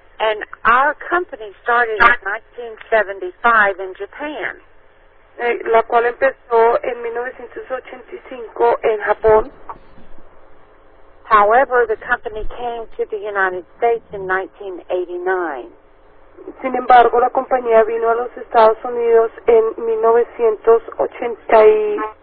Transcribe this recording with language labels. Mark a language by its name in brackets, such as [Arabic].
[English] And our company started in 1975 in Japan. [Spanish] La cual empezó en 1985 en Japón. [English] However, the company came to the United States in 1989. [Spanish] Sin embargo, la compañía vino a los Estados Unidos en 1989.